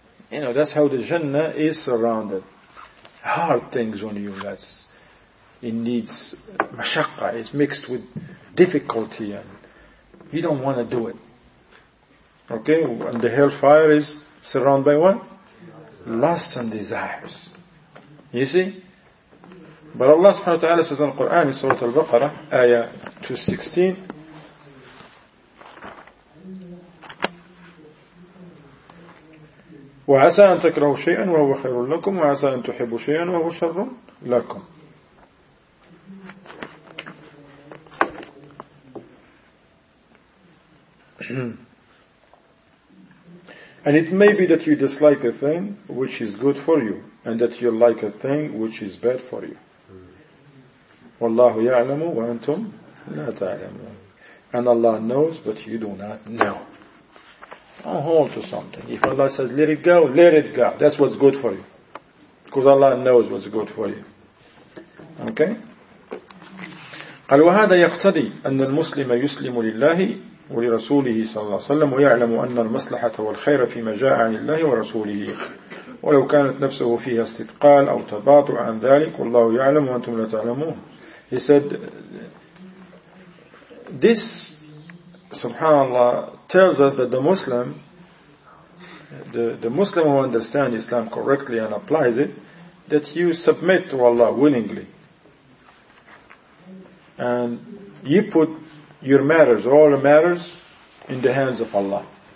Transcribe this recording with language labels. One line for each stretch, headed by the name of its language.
English: You know, that's how the Jannah is surrounded. Hard things on you, that's, it needs mashaqqa, it's mixed with difficulty and you don't want to do it. Okay, and the hellfire is surrounded by what? Lust and desires. You see? But Allah subhanahu wa ta'ala says in the Quran in Surah Al-Baqarah, Ayah 216,
Arabic: وَعَسَىٰ أَن تَكْرَهُ شَيْئًا وَهُوَ خَيْرٌ لَكُمْ وَعَسَىٰ أَن تُحِبُّ شَيْئًا وَهُوَ شَرٌ لَكُمْ.
English: And it may be that you dislike a thing which is good for you, and that you like a thing which is bad for you.
Arabic: وَاللَّهُ يَعْلَمُ وَأَنْتُمْ لَا تَعْلَمُونَ.
English: And Allah knows, but you do not know. Don't hold to something. If Allah says, let it go, let it go. That's what's good for you. Because Allah knows what's good for you. Okay?
Arabic: قَلْ وَهَذَا يَقْتَدِي أَنَّ الْمُسْلِمَ يُسْلِمُ لِلَّهِ ولرسوله صلى الله عليه وسلم ويعلم أن المصلحة والخير فيما جاء عن الله ورسوله ولو كانت نفسه فيها استثقال أو تباطؤ عن ذلك والله يعلم وأنتم لا تعلمون.
English: He said, this subhanAllah tells us that the Muslim who understands Islam correctly and applies it, that you submit to Allah willingly and you put your matters, all the matters, in the hands of Allah.